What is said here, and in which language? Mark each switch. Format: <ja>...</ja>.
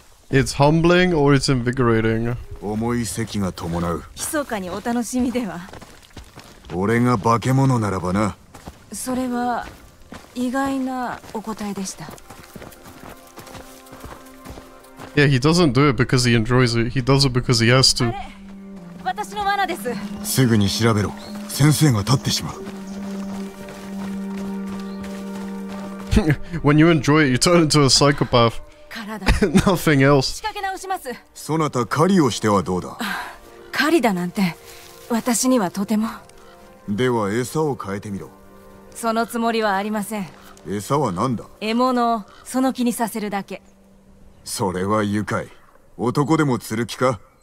<en>It's humbling or it's invigorating?</en> <ja>重い席が伴う。密かにお楽しみでは。俺が化け物ならばな。それは意外なお答えでした。</ja> <en>Yeah, he doesn't do it because he enjoys it. He does it because he has to.</en> <ja>あれ、私の罠です。すぐに調べろ。先生が立ってしまう。</ja> <en>When you enjoy it, you turn into a psychopath.</en> <ja>体。</ja> <en>Nothing else.</en> <ja>仕掛け直します。そなた狩りをしてはどうだ？狩りだなんて、私にはとても。では餌を変えてみろ。そのつもりはありません。餌は何だ？獲物をその気にさせるだけ。それは愉快。男でも釣る気か？</ja>